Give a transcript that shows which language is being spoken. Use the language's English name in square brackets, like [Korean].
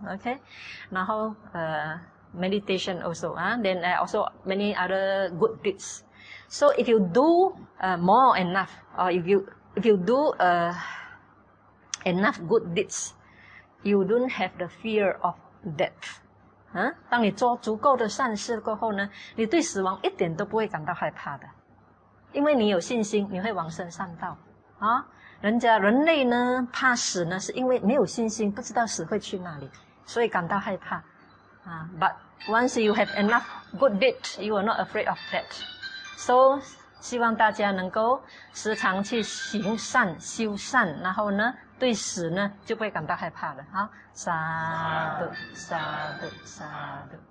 [English] OK， [Chinese] 然后 [English] meditation also 啊、then also many other good deeds. So if you do more enough, or if you do enough good deeds, you don't have the fear of death. [Chinese] 当你做足够的善事过后呢，你对死亡一点都不会感到害怕的，因为你有信心，你会往生善道。人类呢怕死呢，是因为没有信心，不知道死会去哪里，所以感到害怕。 [English] But once you have enough good deeds, you are not afraid of death. [Chinese] So, 希望大家能够时常去行善、修善，然后呢，对死呢，就不会感到害怕了。好，沙度，沙度，沙度。